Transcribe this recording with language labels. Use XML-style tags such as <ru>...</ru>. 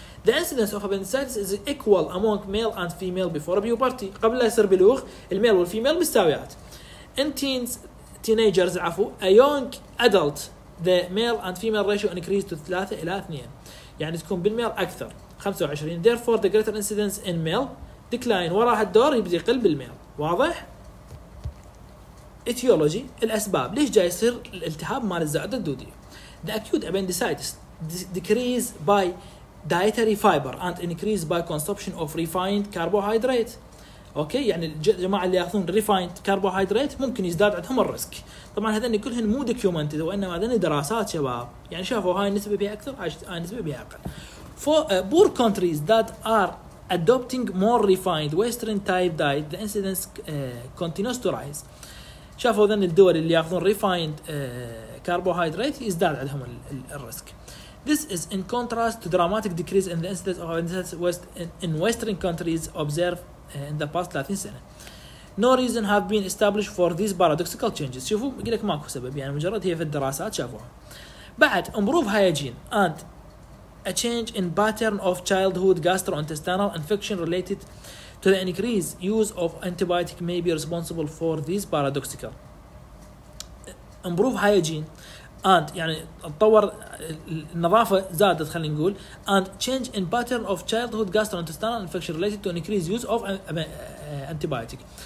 <en>The incidence of appendicitis is equal among male and female before puberty.</en> <ar>قبل لا يصير بلوغ، الميل والفيميل مستويات.</ar> <en>In teens, teenagers, عفو, a young adult, the male and female ratio increases to 3-2.</en> <ar>يعني تكون بالميل أكثر.</ar> <en>25. Therefore, the greater incidence in male decline.</en> <ar>وراها الدور يبدي يقل بالميل. واضح؟ etiology الاسباب ليش جاي يصير الالتهاب مال الزائده الدوديه.</ar> <en>The acute appendicitis decrease by dietary fiber and increase by consumption of refined carbohydrate.</en> <ar>اوكي يعني الجماعه اللي ياخذون refined carbohydrate ممكن يزداد عندهم الريسك. طبعا هذني كلهن مو documented وانما هذني دراسات شباب، يعني شافوا هاي النسبه بها اكثر هاي النسبه بها اقل.</ar> <en>For poor countries that are adopting more refined western type diet the incidence continues to rise.</en> <ar>شافوا ذن الدول اللي ياخذون ريفايند كربوهيدرات يزداد عندهم الريسك.</ar> <en>This is in contrast to dramatic decrease in the incidence of appendicitis in Western countries observed in the past 30 سنة. No reason have been established for these paradoxical changes.</en> <ar>شوفوا يقول لك ماكو سبب، يعني مجرد هي في الدراسات شافوها.</ar> <en>بعد improve hygiene and a change in pattern of childhood gastrointestinal infection related to the increase use of antibiotic may be responsible for these paradoxical improve hygiene and</en> <ar>يعني تطور النظافة زادت خلينا نقول</ar> <en>and change in pattern of childhood gastrointestinal infection related to increase use of antibiotic.</en>